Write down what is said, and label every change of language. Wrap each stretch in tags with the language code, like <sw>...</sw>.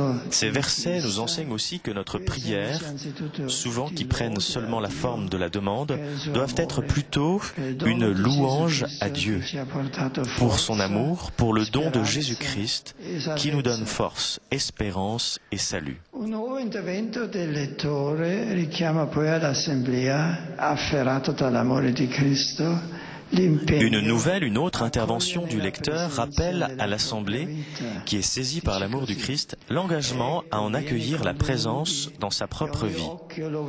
<fr>Ces versets nous enseignent aussi que notre prière, souvent qui prennent seulement la forme de la demande, doivent être plutôt une louange à Dieu pour son amour, pour le don de Jésus-Christ qui nous donne force, espérance et salut.</fr> <it>Un nuovo intervento del lettore richiama poi all'assemblea afferrato dall'amore di Cristo.</it> <fr>Une autre intervention du lecteur rappelle à l'Assemblée, qui est saisie par l'amour du Christ, l'engagement à en accueillir la présence dans sa propre vie.</fr>